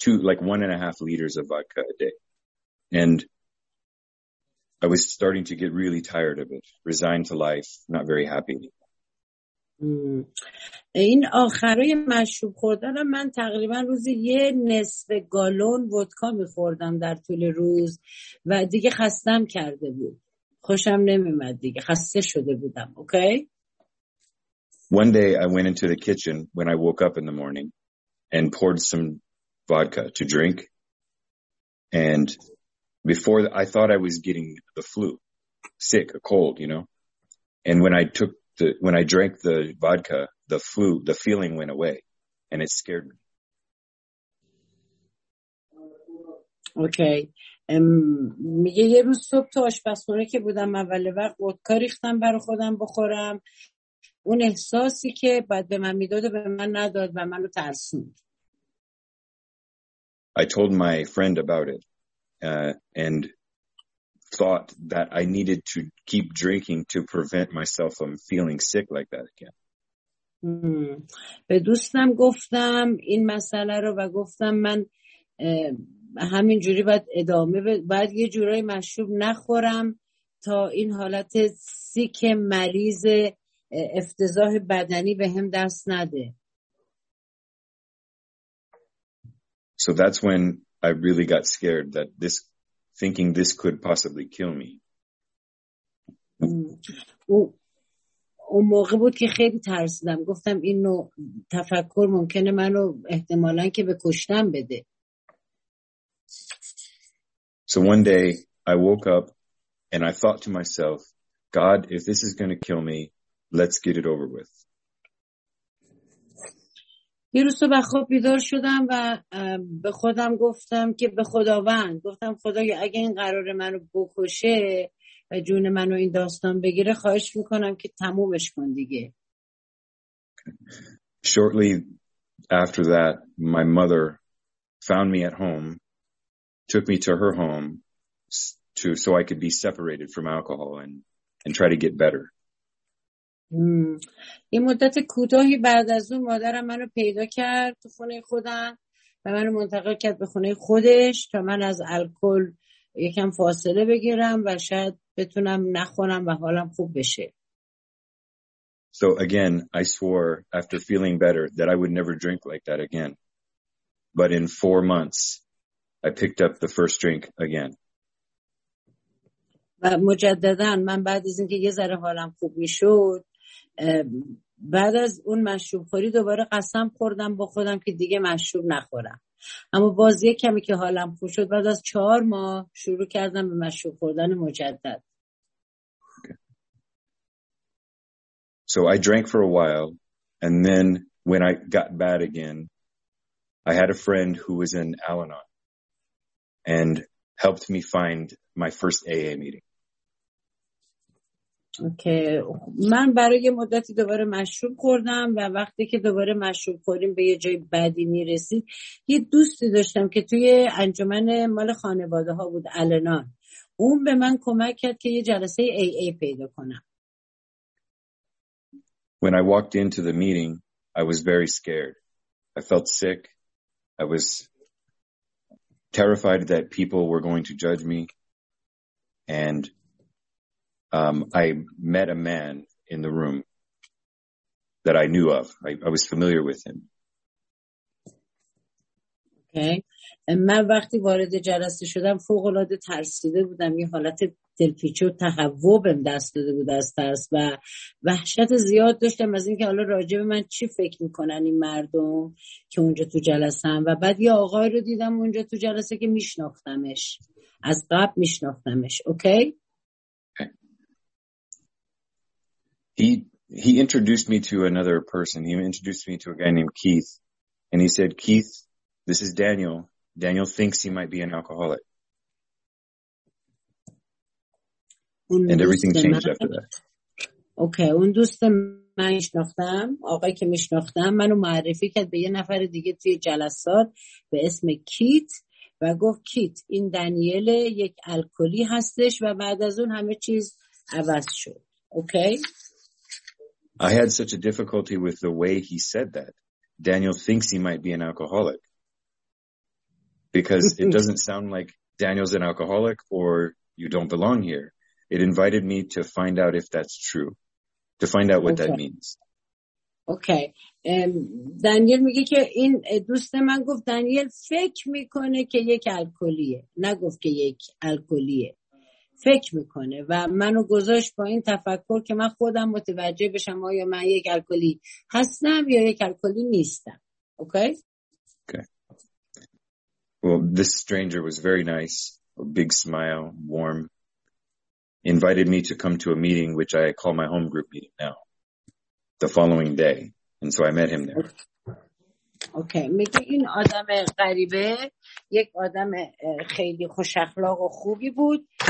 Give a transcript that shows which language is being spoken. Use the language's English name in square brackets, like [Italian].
[English] Like 1.5 liters of vodka a day. And I was starting to get really tired of it, resigned to life, not very happy. [Persian] این آخرای مشروب خوردنم من تقریبا روزی یه نصف گالون ودکا می‌خوردم در طول روز و دیگه خستم کرده بود. خوشم نمی‌اومد دیگه، خسته شده بودم. اوکی؟ [English] One day I went into the kitchen when I woke up in the morning and poured some vodka to drink, and before I thought I was getting the flu, sick, a cold, you know. And when I drank the vodka, the flu, the feeling went away, and it scared me. Okay. [Persian] میگه یه روز صبح تو آشپزخونه که بودم اول وقت ودکا ریختم برای خودم بخورم، اون احساسی که بعد به من میداد به من نداد و منو ترسوند. [English] I told my friend about it. And thought that I needed to keep drinking to prevent myself from feeling sick like that again. [Persian] به دوستم گفتم این مسئله رو و گفتم من همین جوری باید ادامه باید یه جورای مشروب نخورم تا این حالت سیک مریض افتضاح بدنی به هم دست نده. [English] So that's when I really got scared that this, thinking this could possibly kill me. [Persian] اون موقع بود که خیلی ترسیدم. گفتم اینو تفکر ممکنه منو احتمالاً که به کشتن بده. [English] So one day I woke up and I thought to myself, God, if this is going to kill me, let's get it over with. [Persian] یه روز صبح خواب بیدار شدم و به خودم گفتم که به خداوند گفتم خدایا اگه این قرار منو بکشه و جون منو این داستان بگیره خواهش میکنم که تمومش کن دیگه. [English] Shortly after that my mother found me at home, took me to her home to so I could be separated from alcohol and try to get better. یه مدت کوتاهی بعد از اون مادرم منو پیدا کرد تو خونه خودم و منو منتقل کرد به خونه خودش تا من از الکل یکم فاصله بگیرم و شاید بتونم نخونم و حالم خوب بشه. So again, I swore after feeling better that I would never drink like that again. But in 4 months, I picked up the first drink again. [Persian] و مجدداً من بعد از اینکه یه ذره حالم خوب میشد بعد از اون مشروب خوری دوباره قسم خوردم با خودم که دیگه مشروب نخورم، اما باز یه کمی که حالم خوب شد بعد از 4 ماه شروع کردم به مشروب خوردن مجدد. [English] So I drank for a while and then when I got bad again I had a friend who was in Al-Anon and helped me find my first AA meeting. [Persian] اوکی. من برای مدتی دوباره مشروب خوردم و وقتی که دوباره مشروب خوردیم به یه جای بدی میرسید، یه دوستی داشتم که توی انجمن مال خانواده ها بود الانان، اون به من کمک کرد که یه جلسه AA پیدا کنم. [English] When I walked into the meeting I was very scared. I felt sick. I was terrified that people were going to judge me and I met a man in the room that I knew of. I was familiar with him. [Persian] اوکی. من وقتی وارد جلسه شدم فوق العاده ترسیده بودم، یه حالت دلپیچه و تهوع بهم دست داده بود از ترس و وحشت زیاد داشتم از اینکه حالا راجع به من چی فکر میکنن این مردم که اونجا تو جلسه‌ام. و بعد یه آقای رو دیدم اونجا تو جلسه که میشناختمش، از قبل میشناختمش. اوکی. [English] He introduced me to another person. He introduced me to a guy named Keith. And he said, Keith, this is Daniel. Daniel thinks he might be an alcoholic. And everything changed after that. Okay. [Persian] اون دوست من شناختم، آقایی که می شناختم، منو معرفی کرد به یه نفر دیگه توی جلسات به اسم کیت و گفت کیت، این دانیل یک الکلی هستش و بعد از اون همه چیز عوض شد. [English] Okay. I had such a difficulty with the way he said that. Daniel thinks he might be an alcoholic. Because it doesn't sound like Daniel's an alcoholic or you don't belong here. It invited me to find out if that's true. To find out what that means. Okay. [Persian] Daniel میگه که این دوست من گفت دانیل فکر میکنه که یک الکلیه. نگفت که یک الکلیه. فکر میکنه و منو گذاشت با این تفکر که من خودم متوجه بشم آیا من یک الکلی هستم یا یک الکلی نیستم. اوکی؟ اوکی. [English] Well, this stranger was very nice, a big smile, warm. Invited me to come to a meeting which I call my home group meeting now. The following day. And so I met him there. [Persian] اوکی. میگه این آدم غریبه یک آدم خیلی خوش اخلاق و خوبی بود.